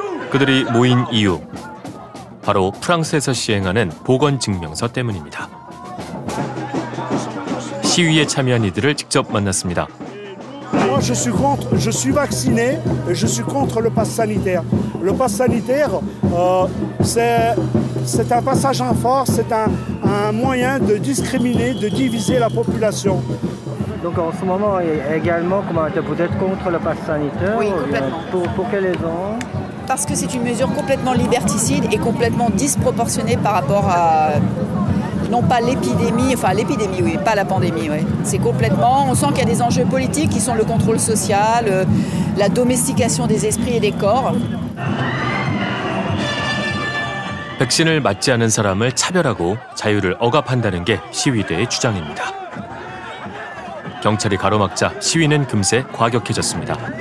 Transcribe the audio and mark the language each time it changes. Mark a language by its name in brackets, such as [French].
[Korean] 그들이 모인 이유, 바로 프랑스에서 시행하는 보건 증명서 때문입니다. 시위에 참여한 이들을 직접 만났습니다. [French] Je suis contre, je suis vacciné, je suis contre le pass sanitaire. Le pass sanitaire, c'est un passage en force, c'est un moyen de discriminer, de diviser la population. Donc en ce moment également, vous êtes contre le pass sanitaire? Oui, complètement. Pour quelle raison? Parce que c'est une mesure complètement liberticide et complètement disproportionnée par rapport à... Non pas l'épidémie, enfin l'épidémie oui, pas la pandémie, oui. C'est complètement, on sent qu'il y a des enjeux politiques qui sont le contrôle social, la domestication des esprits et des corps. [Korean] 백신을 맞지 않은 사람을 차별하고 자유를 억압한다는 게 시위대의 주장입니다. 경찰이 가로막자 시위는 금세 과격해졌습니다.